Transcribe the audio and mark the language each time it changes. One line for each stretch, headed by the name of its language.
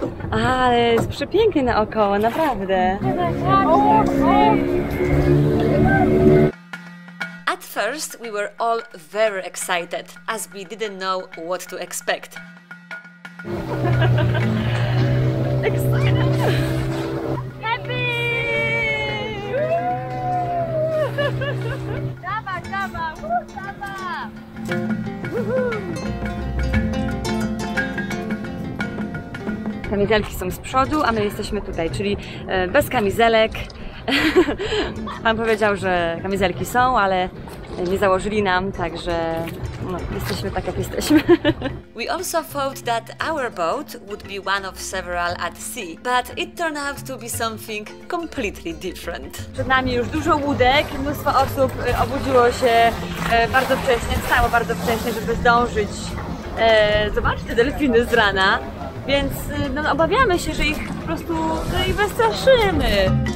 Polish: Ale jest przepięknie naokoło, naprawdę.
English: At first, we were all very excited, as we didn't know what to expect. Excited! Happy!
Polish: Dawa, dawa, dawa! Kamizelki są z przodu, a my jesteśmy tutaj, czyli bez kamizelek. Pan powiedział, że kamizelki są, ale nie założyli nam, także no, jesteśmy tak, jak jesteśmy.
English: We also thought that our boat would be one of several at sea, but it turned out to be something completely different.
Polish: Przed nami już dużo łódek, mnóstwo osób obudziło się bardzo wcześnie, wstało bardzo wcześnie, żeby zdążyć zobaczyć te delfiny z rana, więc no, obawiamy się, że ich po prostu wystraszymy.